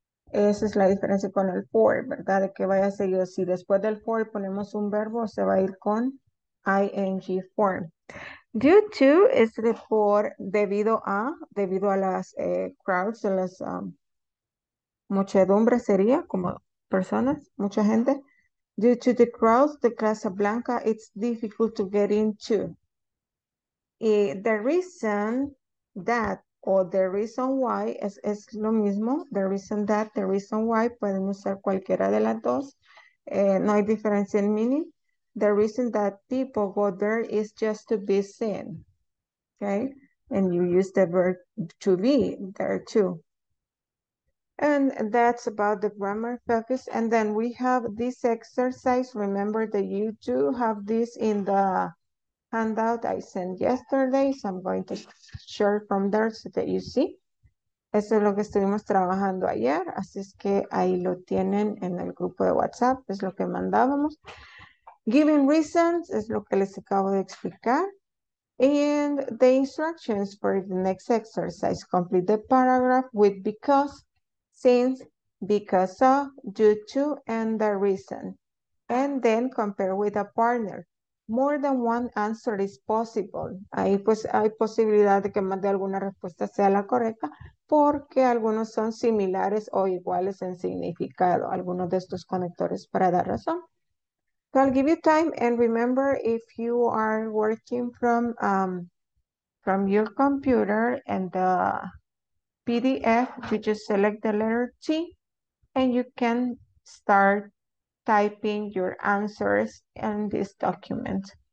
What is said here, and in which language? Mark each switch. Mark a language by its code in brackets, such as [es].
[es] Esa es la diferencia con el for, ¿verdad? De que vaya seguido. Si después del for ponemos un verbo, se va a ir con ing form. Due to es de por, debido a las crowds, a las muchedumbres sería, como personas, mucha gente. [en] Due to the crowds, the Casablanca, it's difficult to get into. [es] Y the reason that, or the reason why, es lo mismo. The reason that, the reason why, pueden usar cualquiera de las dos. No hay diferencia en meaning. [en] The reason that people go there is just to be seen. Okay? And you use the verb to be there too. And that's about the grammar focus. And then we have this exercise. Remember that you do have this in the handout I sent yesterday. So I'm going to share from there so that you see. [es] Eso es lo que estuvimos trabajando ayer. Así es que ahí lo tienen en el grupo de WhatsApp. Es lo que mandábamos. Giving reasons es lo que les acabo de explicar. [en] And the instructions for the next exercise. Complete the paragraph with because. Since, because of, due to, and the reason. And then compare with a partner. More than one answer is possible. [es] Ahí pues hay posibilidad de que más de alguna respuesta sea la correcta porque algunos son similares o iguales en significado, algunos de estos conectores para dar razón. [en] So I'll give you time and remember if you are working from your computer and the PDF, you just select the letter T and you can start typing your answers in this document.